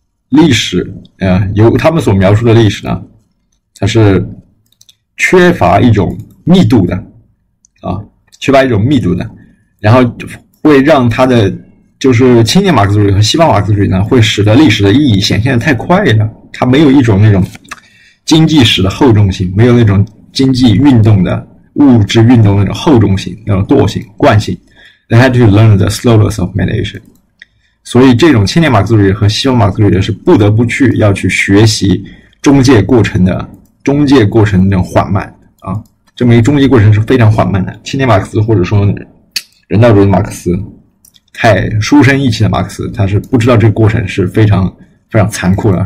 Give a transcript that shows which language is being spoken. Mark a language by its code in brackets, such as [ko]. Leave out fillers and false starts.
[zh] 历史，由他们所描述的历史呢，它是缺乏一种密度的，缺乏一种密度的，然后会让他的就是青年马克思主义和西方马克思主义呢，会使得历史的意义显现得太快了。它没有一种那种经济史的厚重性，没有那种经济运动的物质运动那种厚重性、那种惰性、惯性。 [en] They had to learn the slowness of mediation。 [zh] 所以，这种青年马克思主义和西方马克思主义是不得不去要去学习中介过程的那种缓慢啊。这么一个中介过程是非常缓慢的。青年马克思或者说人道主义马克思，太书生意气的马克思，他是不知道这个过程是非常非常残酷的。